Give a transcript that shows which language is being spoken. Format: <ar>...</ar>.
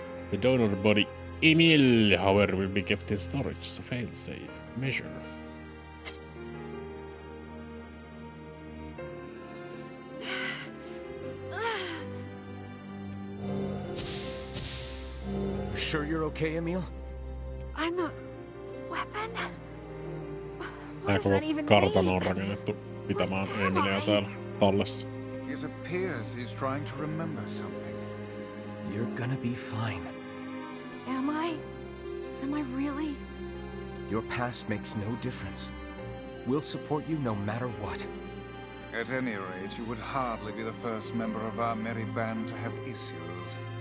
<en>The donor body Emil, however, will be kept in storage as a fail-safe measure. You sure you're okay, Emil? I'm not... Weapon? What does that even</en> <fi>kartan mean? On rakennettu pitämään Emilia täällä tallessa.</fi> <en>It appears he's trying to remember something. You're gonna be fine. Am I? Am I really? Your past makes no difference. We'll support you no matter what. At any rate, you would hardly be the first member of our merry band to have issues.</en>